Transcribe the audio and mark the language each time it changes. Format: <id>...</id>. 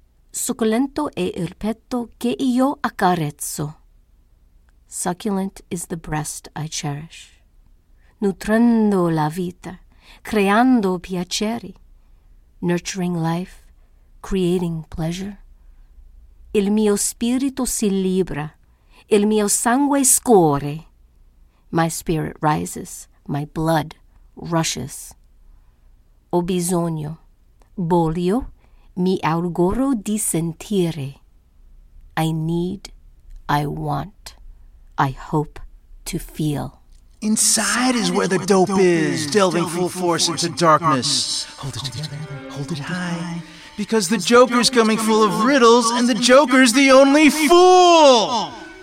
<it>Succulento è il petto che io accarezzo.</it> <en>Succulent is the breast I cherish.</en> <it>Nutrendo la vita, creando piaceri.</it> <en>Nurturing life, creating pleasure.</en> <it>Il mio spirito si libra, il mio sangue scorre.</it> <en>My spirit rises, my blood rushes.</en> <it>Ho bisogno, voglio, mi auguro di sentire.</it> <en>I need, I want, I hope to feel. Inside is where the dope is, delving full force into darkness. Hold it together, hold it high. Because the Joker's coming full of riddles, and the Joker's the only fool!</en>